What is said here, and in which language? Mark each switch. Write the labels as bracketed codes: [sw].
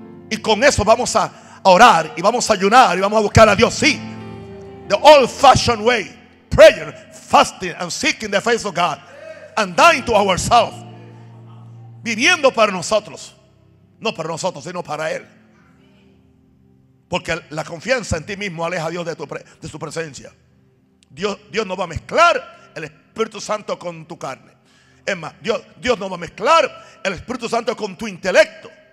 [es] Y con eso vamos a orar y vamos a ayunar y vamos a buscar a Dios. [en] Sí. The old fashioned way. Prayer, fasting and seeking the face of God. And dying to ourselves. [es] Viviendo para nosotros. No para nosotros, sino para Él. Porque la confianza en ti mismo aleja a Dios de su presencia. Dios no va a mezclar el Espíritu Santo con tu carne. Es más, Dios no va a mezclar el Espíritu Santo con tu intelecto.